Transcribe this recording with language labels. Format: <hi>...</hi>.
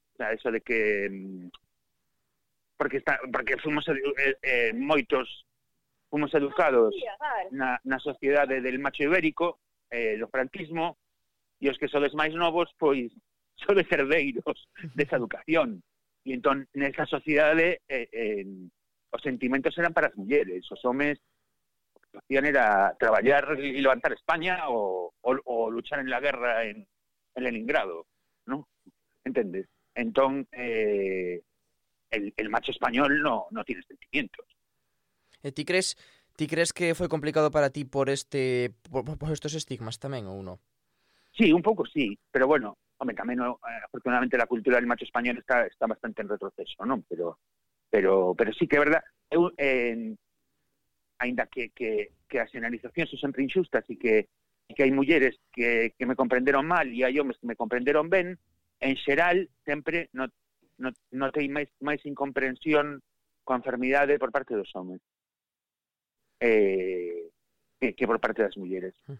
<gl>Eso de que porque fomos moitos fomos educados na sociedade</gl> <es>del macho ibérico,</es> <gl>do franquismo, e os que sodes máis novos pois sodes herdeiros desa educación, e entón nesa sociedade os sentimentos eran para as mulleres, os homes a situación era traballar e levantar España ou</gl> <es>luchar en la guerra en Leningrado,</es> <gl>¿no? ¿Entendes?</gl> <es>Entón, el macho español no tiene sentimientos.</es> <gl>¿E ti crees que foi complicado para ti por estos estigmas tamén, ou no?</gl> <es>Sí,</es> <gl>un pouco</gl> <es>sí, pero bueno, hombre, tamén, afortunadamente, la cultura del macho español está bastante en retroceso, ¿no? Pero</es> <gl>pero sí que é verdad, eu, ainda que as sinalizacións son sempre injustas e que hai mulleres que me comprenderon mal e hai homens que me comprenderon ben, en xeral sempre notei máis incomprensión coa enfermidade por parte dos homens que por parte das mulleres.</gl>